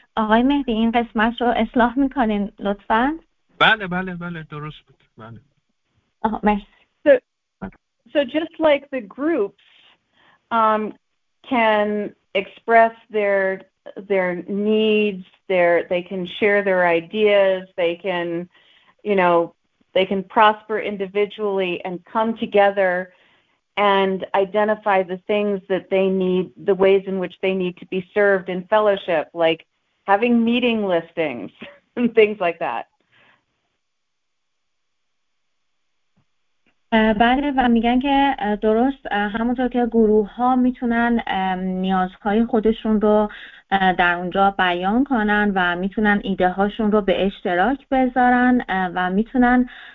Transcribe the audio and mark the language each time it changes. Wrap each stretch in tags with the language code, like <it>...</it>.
<fa>آقای مهدی این قسمت رو اصلاح میکنین لطفا؟ بله بله بله درست بود. بله. مرسی.</fa> <en>So just like the groups can express their needs, they can share their ideas, they can, you know, they can prosper individually and come together and identify the things that they need, the ways in which they need to be served in fellowship, like having meeting listings and things like that.</en> <fa>بله و میگن که درست همونطور که گروه ها میتونن نیازهای خودشون رو در اونجا بیان کنن و میتونن ایده هاشون رو به اشتراک بذارن و میتونن</fa>